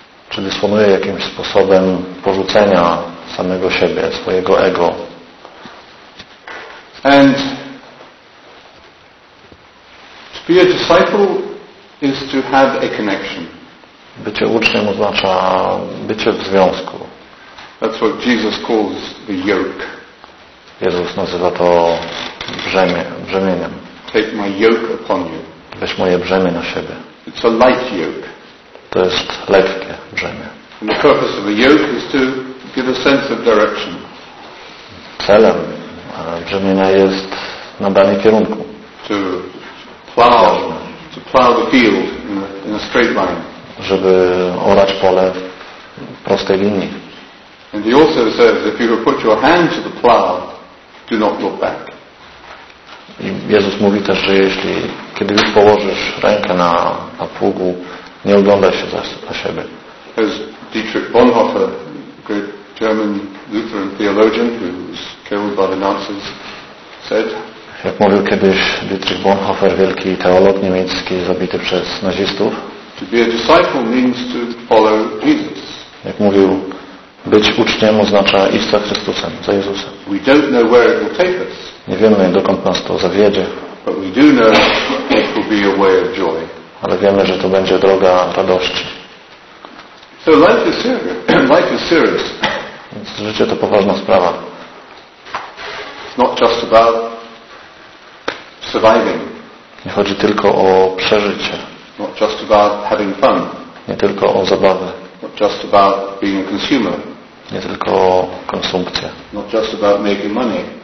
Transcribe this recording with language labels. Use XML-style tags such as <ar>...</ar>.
<pl>Czy dysponuję jakimś sposobem porzucenia samego siebie, swojego ego?</pl> <en>And to be a disciple is to have a connection.</en> <pl>Bycie uczniem oznacza bycie w związku.</pl> <en>That's what Jesus calls the yoke.</en> <pl>Jezus nazywa to brzemieniem.</pl> <en>Take my yoke upon you.</en> <pl>Weź moje brzemię na siebie.</pl> <en>It's a light yoke.</en> <pl>To jest lekkie brzemię.</pl> <en>And the purpose of a yoke is to give a sense of direction.</en> <pl>Celem brzemienia jest nadanie kierunku.</pl> <en>To plow the field in a straight line.</en> <pl>Żeby orać pole w prostej linii.</pl> <en>And he also says, if you will put your hand to the plow, do not look back.</en> <pl>I Jezus mówi też, że jeśli kiedy już położysz rękę na pługu, nie ogląda się za siebie.</pl> <en>As Dietrich Bonhoeffer, great German Lutheran theologian who was killed by the Nazis, said.</en> <pl>Jak mówił kiedyś Dietrich Bonhoeffer, wielki teolog niemiecki zabity przez nazistów.</pl> <en>To be a disciple means to follow Jesus.</en> <pl>Jak mówił, być uczniem oznacza iść za Chrystusem, za Jezusem.</pl> <en>We don't know where it will take us.</en> <pl>Nie wiemy, dokąd nas to zawiedzie.</pl> <en>But we do know it will be a way of joy.</en> <pl>Ale wiemy, że to będzie droga radości.</pl> <en>So life is serious. Life is serious.</en> <pl>Więc życie to poważna sprawa.</pl> <en>It's not just about surviving.</en> <pl>Nie chodzi tylko o przeżycie.</pl> <en>Not just about having fun.</en> <pl>Nie tylko o zabawę.</pl> <en>Not just about being a consumer.</en> <pl>Nie tylko o konsumpcję.</pl> <en>Not just about making money.</en>